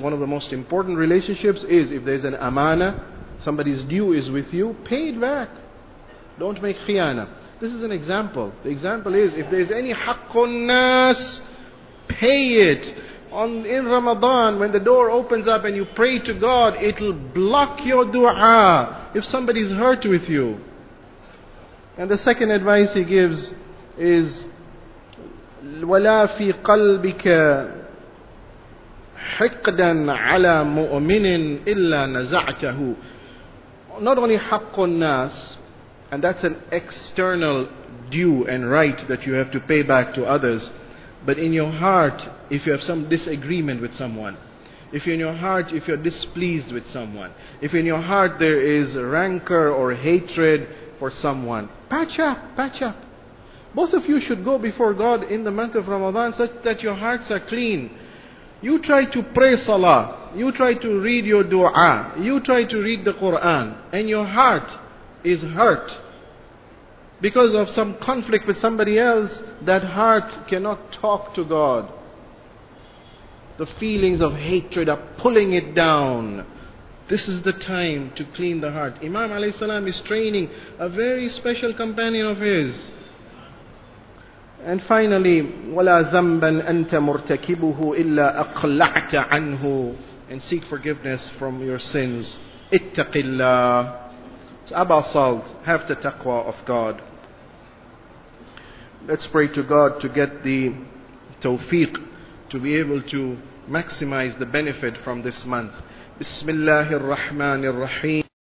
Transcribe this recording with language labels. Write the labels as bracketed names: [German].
[English] One of the most important relationships is if there's an amana, somebody's due is with you, pay it back. Don't make khiyana. This is an example. The example is, if there's any haqqun nas, pay it. In Ramadan, when the door opens up and you pray to God, it'll block your dua if somebody's hurt with you. And the second advice he gives is, [Arabic] وَلَا فِي قَلْبِكَ حِقْدًا عَلَى مُؤْمِنٍ إِلَّا نَزَعْتَهُ. [English] Not only haqqun nas, and that's an external due and right that you have to pay back to others. But in your heart, if you have some disagreement with someone, if you're displeased with someone, if in your heart there is rancor or hatred for someone, patch up. Both of you should go before God in the month of Ramadan such that your hearts are clean. You try to pray salah, you try to read your dua, you try to read the Quran, and your heart is hurt because of some conflict with somebody else, that heart cannot talk to God. The feelings of hatred are pulling it down. This is the time to clean the heart. Imam alayhi salam is training a very special companion of his. And finally, [Arabic] وَلَا ذَنْبًا أَنْتَ مُرْتَكِبُهُ إِلَّا أَقْلَعْتَ عَنْهُ. [English] And seek forgiveness from your sins. [Arabic] اتَّقِ اللَّهِ. [English] Abba Salt, have the taqwa of God. Let's pray to God to get the tawfiq to be able to maximize the benefit from this month. Bismillahir Rahmanir Rahim.